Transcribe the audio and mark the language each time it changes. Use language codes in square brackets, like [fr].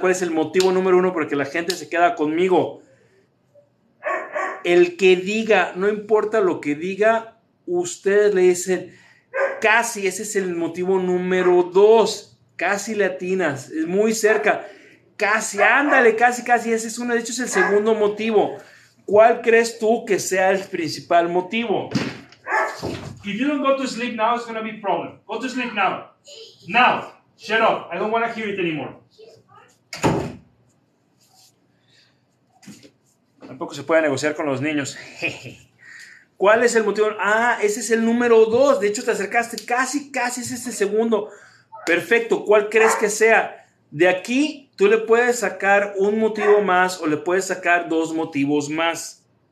[es] ¿Cuál es el motivo número uno por el que la gente se queda conmigo? El que diga, no importa lo que diga, ustedes le dicen, casi, ese es el motivo número dos. Casi le atinas, es muy cerca. Casi, ándale, casi, casi. Ese es uno, de hecho es el segundo motivo. ¿Cuál crees tú que sea el principal motivo? [en] If you don't go to sleep now, it's going to be a problem. Go to sleep now. Now. Shut up. I don't want to hear it anymore. [es] Tampoco se puede negociar con los niños. ¿Cuál es el motivo? Ah, ese es el número dos. De hecho, te acercaste casi, casi. Ese es el segundo. Perfecto. ¿Cuál crees que sea? De aquí, tú le puedes sacar un motivo más o le puedes sacar dos motivos más.